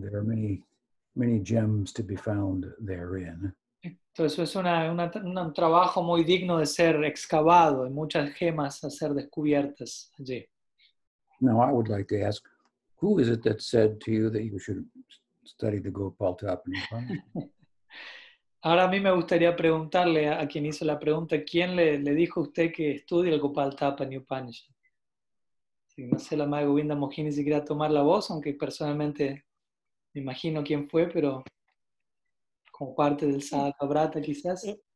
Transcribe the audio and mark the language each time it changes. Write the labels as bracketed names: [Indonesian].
[English] There are many, many gems to be found therein. [Spanish] Entonces es un trabajo muy digno de ser excavado y muchas gemas a ser descubiertas allí. [English] Now I would like to ask, who is it that said to you that you should study the Gopal Tapani? [Spanish] Ahora a mí me gustaría preguntarle a quien hizo la pregunta, ¿quién le dijo a usted que estudie el Gopal Thapa New Upanishad? Si no sé, la madre Govinda Mohini siquiera tomar la voz, aunque personalmente me imagino quién fue, pero como parte del Sadhaka Brata quizás.